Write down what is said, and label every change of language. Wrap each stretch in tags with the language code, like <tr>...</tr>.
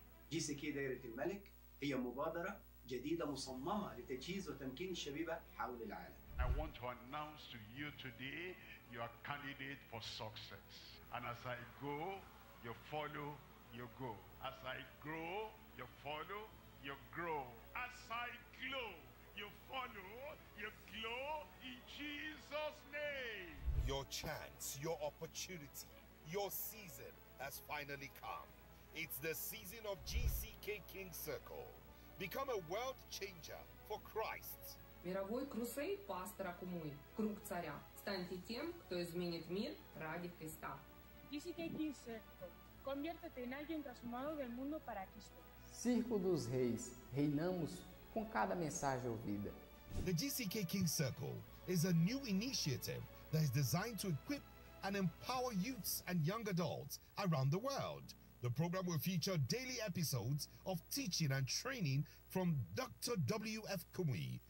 <ar>GCK دائرة الملك هي مبادرة جديدة مصممة لتجهيز وتمكين الشبيبة حول العالم.</ar> <en>I want to announce to you today you are candidate for success. And as I go, you follow, you go. As I grow, you follow, you grow. As I glow, you follow, you glow in Jesus' name. Your chance, your opportunity, your season has finally come. It's the season of GCK King Circle. Become a world changer for Christ.</en> <ru>Мировой крусейд пастора Кумуи, круг царя. Станьте тем, кто изменит мир ради Христа.</ru> <en>GCK King Circle.</en> <es>Conviértete en alguien transformado del mundo para Cristo.</es> <pt>Círculo dos Reis. Reinamos com cada mensagem ouvida.</pt> <en>The GCK King Circle is a new initiative that is designed to equip and empower youths and young adults around the world. The program will feature daily episodes of teaching and training from Dr. W.F. Kumuyi.</en>